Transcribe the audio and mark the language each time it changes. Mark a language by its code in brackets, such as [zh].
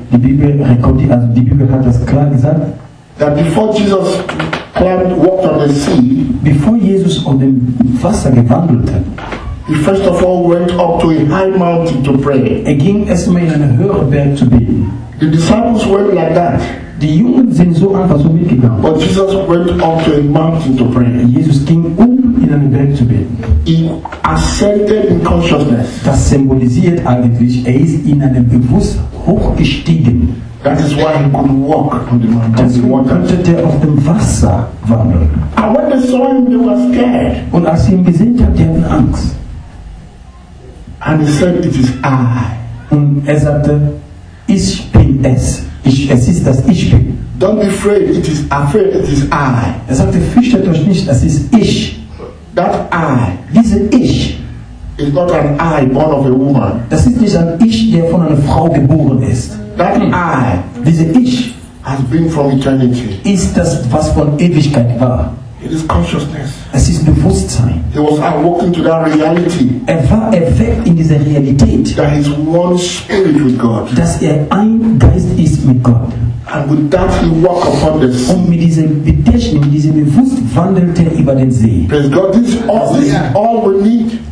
[de] Die Bibel hat das klar gesagt. [en] That before Jesus walked on the sea, [de] before Jesus auf dem Wasser gewandelt hat, [en] he first of all went up to a high mountain to pray. [de] Er ging erstmal in einen höheren Berg zu beten. [en] The disciples went like that. [de] Die Jungen sind so einfach so mitgegangen. [en] But Jesus went up to a mountain to pray. [de] Jesus ging in einen Berg zu beten. [en] He ascended in consciousness. [de] Das symbolisiert eigentlich, er ist in einem Bewusst hochgestiegen. [en] That is why he could walk on the mountain. [de] Deswegen konnte er auf dem Wasser wandeln. [en] And when they saw him, they were scared. [de] Und als sie ihn gesehen haben, die hatten Angst. [en] And he said, it is I. [de] Und er sagte, ich bin es. Es ist das Ich bin. [en] Don't be afraid. It is afraid. It is I. [de] Er sagte, fürchtet euch nicht. Es ist Ich. [en] That I. [de] Diese Ich. [en] Is not an I born of a woman. [de] Das ist nicht ein Ich, der von einer Frau geboren ist. [en] That I. [de] Diese Ich. [en] Has been from eternity. [de] Ist das, was von Ewigkeit war. [en] It is consciousness. [de] Es ist Bewusstsein. [en] He was awoken to that reality. [de] Er war erweckt in dieser Realität. [en] That he is one spirit with God. [de] Dass er ein Geist ist mit Gott. [en] And would that you walk upon the sea? [de] Und mit diesem Bedächtnis, mit diesem Bewusst wandelte er über den See. [en] Praise God, this all, this is all we need.